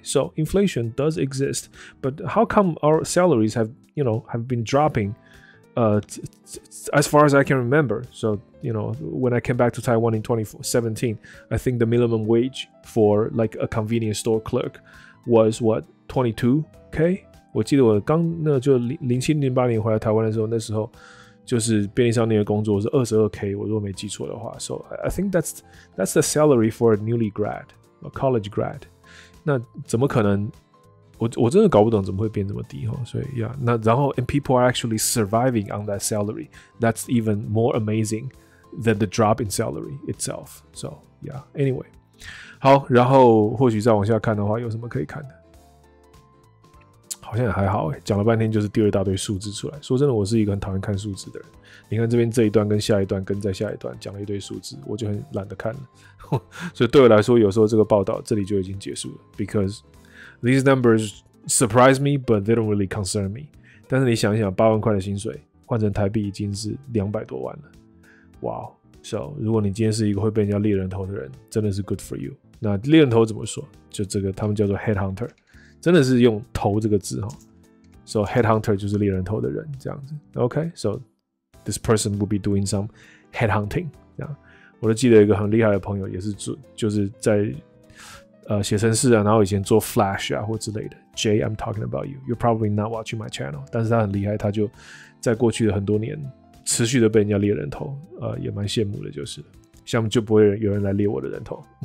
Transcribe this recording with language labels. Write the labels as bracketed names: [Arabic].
[English] So inflation does exist, but how come our salaries have, you know, have been dropping? As far as I can remember, so you know, when I came back to Taiwan in 2017, I think the minimum wage for like a convenience store clerk was what 22k. [Chinese] 我记得我刚那就2007、2008年回来台湾的时候，那时候就是便利商店的工作是22k， 我如果没记错的话。 [English] So I think that's the salary for a newly grad. A college grad， [Chinese] 那怎么可能？我真的搞不懂怎么会变这么低哈。所以 [English] ，yeah， [Chinese] 那然后 [English] ，and people are actually surviving on that salary. That's even more amazing than the drop in salary itself. So yeah. Anyway， [Chinese] 好，然后或许再往下看的话，有什么可以看的？好像也还好哎，讲了半天就是丢一大堆数字出来。说真的，我是一个很讨厌看数字的人。你看这边这一段跟下一段跟再下一段讲了一堆数字，我就很懒得看了。所以对我来说，有时候这个报道这里就已经结束了 ， [English] because these numbers surprise me, but they don't really concern me。 [Chinese] 但是你想一想，8万块的薪水换成台币已经是200多万了。哇、wow, ，So 如果你今天是一个会被人家猎人头的人，真的是 [English] good for you。 [Chinese] 那猎人头怎么说？就这个他们叫做 head hunter， 真的是用头这个字哈。 So head hunter 就是猎人头的人这样子。 [English] OK，So、okay,This person will be doing some headhunting. [Chinese] 这样，我都记得一个很厉害的朋友，也是做，就是在写程式啊，然后以前做 Flash 啊或之类的。 [English] Jay, I'm talking about you. You're probably not watching my channel. [Chinese] 但是他很厉害，他就在过去的很多年持续的被人家猎人头，也蛮羡慕的，就是像就不会有人来猎我的人头。